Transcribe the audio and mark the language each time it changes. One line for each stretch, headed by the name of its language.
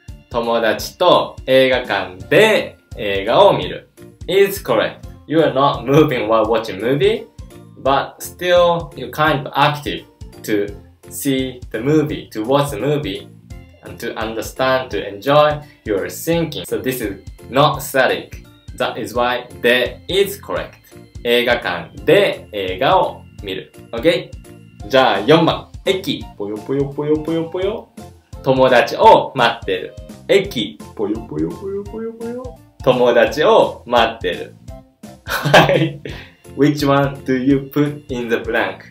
Japanese: 友達と映画館で映画を見る。
English: It's correct. You are not moving while watching movie, but still you're kind of active to see the movie, to watch the movie. And to understand, to enjoy your thinking. So this is not static. That is why で is correct.
Japanese: 映画館で映画を見る。
English: Okay?
Japanese: じゃあ4番。駅。ぽよぽよぽよぽよぽよ。友達を待ってる。駅。ぽよぽよぽよぽよぽよ。友達を待ってる。はい。
English: Which one do you put in the blank?